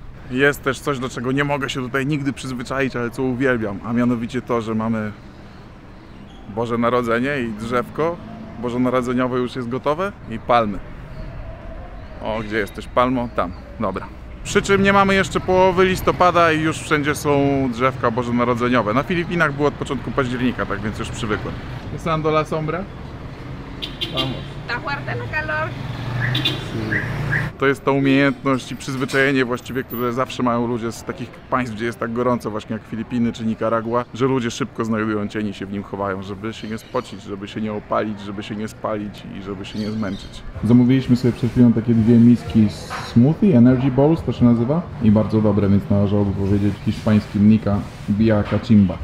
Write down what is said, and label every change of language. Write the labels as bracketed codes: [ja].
[pl] Jest też coś, do czego nie mogę się tutaj nigdy przyzwyczaić, ale co uwielbiam, a mianowicie to, że mamy Boże Narodzenie i drzewko bożonarodzeniowe już jest gotowe i palmy. O, gdzie jesteś, palmo? Tam. Dobra. Przy czym nie mamy jeszcze połowy listopada i już wszędzie są drzewka bożonarodzeniowe. Na Filipinach było od początku października, tak więc już przywykłem. [es] Pasando la sombra? Vamos. Ta fuerte la calor. [pl] To jest ta umiejętność i przyzwyczajenie właściwie, które zawsze mają ludzie z takich państw, gdzie jest tak gorąco, właśnie jak Filipiny czy Nikaragua, że ludzie szybko znajdują cień i się w nim chowają, żeby się nie spocić, żeby się nie opalić, żeby się nie spalić i żeby się nie zmęczyć. Zamówiliśmy sobie przed chwilą takie dwie miski smoothie, energy bowls to się nazywa, i bardzo dobre, więc należałoby powiedzieć hiszpańskim [es] Nika Bia Cachimba.